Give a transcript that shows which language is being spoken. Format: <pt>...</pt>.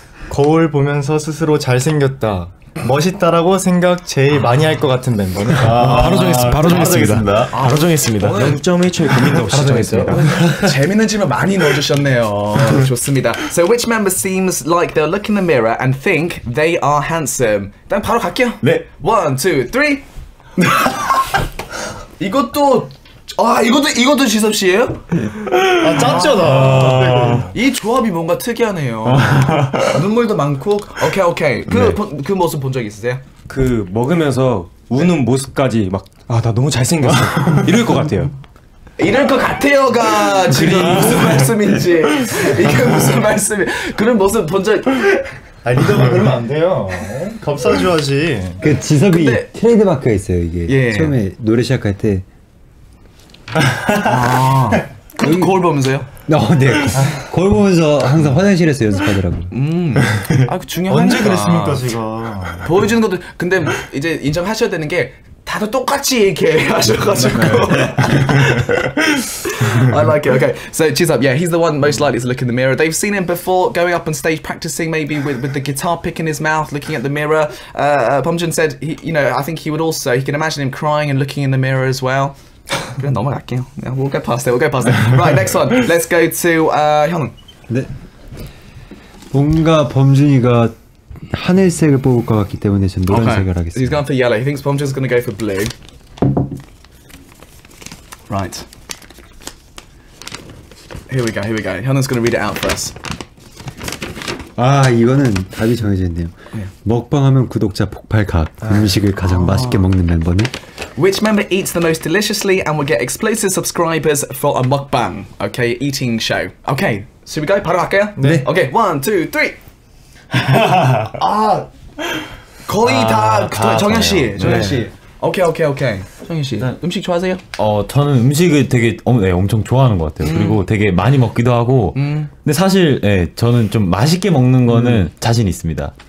<ko>거울 보면서 스스로 잘생겼다. 멋있다라고 생각 제일 많이 할 것 같은 멤버는 바로 정했습니다. 바로 정했습니다. 바로 정했습니다. 0.1초의 고민도 없이 바로 정했습니다. 재밌는 질문 많이 넣어주셨네요. 좋습니다.</ko> <en>So which member seems like they'll look in the mirror and think they are handsome?</en> <ko>일단 바로 갈게요. 네. 1, 2, 3. 이것도 아 이것도 지섭 씨예요? 아 짰죠 나. 이 조합이 뭔가 특이하네요. 눈물도 많고 오케이 오케이 그 모습 본 적 있으세요? 그 먹으면서 우는 네. 모습까지 막 아 나 너무 잘생겼어 이럴 것 같아요. 이럴 것 같아요가 지금 무슨 말씀인지 이게 무슨 말씀이 그런 모습 본 적 아 리더가 그러면 안 돼요. 겁사주하지. 그 지섭이 근데... 트레이드마크가 있어요 이게 예. 처음에 노래 시작할 때. 아, 그럼 거울 보면서요? 네, 거울 보면서 항상 화장실에서 연습하더라고요. 아, 그 중요하니까. 언제 그랬습니까, 제가? 보여주는 것도, 근데 이제 인정하셔야 되는 게 다들 똑같이 이렇게 하셔가지고.</ko> <en>I like it. Okay, so Chisop, yeah, he's the one most likely to look in the mirror. They've seen him before going up on stage practicing, maybe with the guitar pick in his mouth, looking at the mirror. Bomjun said, I think he would also. He can imagine him crying and looking in the mirror as well.</en> <ko>그냥 넘어갈게요.</ko> <en>Yeah, we'll get past it. We'll get past it. Right, next one. Let's go to 형.</en> <ko>네. 뭔가 범준이가 하늘색을 뽑을 것 같기 때문에 전 노란색을</ko> <en>okay.</en> <ko>하겠습니다.</ko> <en>He's going for yellow. He thinks 범준이 going to go for blue. Right. Here we go. 형은 going to read it out for us.</en> <ko>아, 이거는 답이 정해져 있네요.</ko> <en>Yeah.</en> <ko>먹방하면 구독자 폭발 각. 음식을 가장 맛있게 먹는 멤버는?</ko> <en>Which member eats the most deliciously and will get explosive subscribers for a mukbang? Okay, eating show. Okay, should we go?</en> <ko>바로 갈까요? 네.</ko> <en>Okay, 1, 2, 3.</en> <ko>아, 거의 아, 다 정현 씨, 정현 씨. 오케이, 오케이, 오케이. 정현 씨, 네. 음식 좋아하세요? 저는 음식을 되게 엄청 좋아하는 것 같아요. 그리고 되게 많이 먹기도 하고. 근데 사실, 네, 저는 좀 맛있게 먹는 거는 자신 있습니다.</ko>